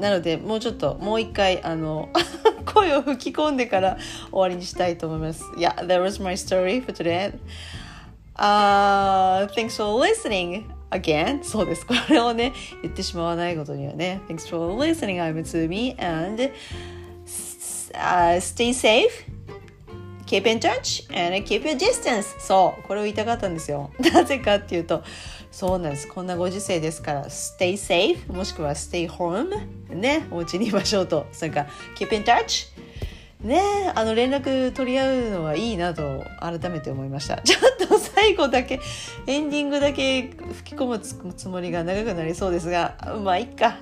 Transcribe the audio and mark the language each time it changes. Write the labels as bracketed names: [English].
[Japanese] なのでもうちょっと、もう一回声を吹き込んでから終わりにしたいと思います。 [English] Yeah, that was my story for today. Thanks for listeningAgain? [Japanese] そうです。これをね、言ってしまわないことにはね。 [English] Thanks for listening, I'm Tsumi, and stay safe, keep in touch, and keep your distance. [Japanese] そう、これを言いたかったんですよ。なぜかっていうと、そうなんです。こんなご時世ですから、 [English] stay safe, [Japanese] もしくは [English] stay home, [Japanese] ね、お家にいましょうと。それか、 [English] keep in touch. [Japanese] ね、連絡取り合うのはいいなと改めて思いました。ちょっと最後だけエンディングだけ吹き込むつもりが長くなりそうですが、まあいっか。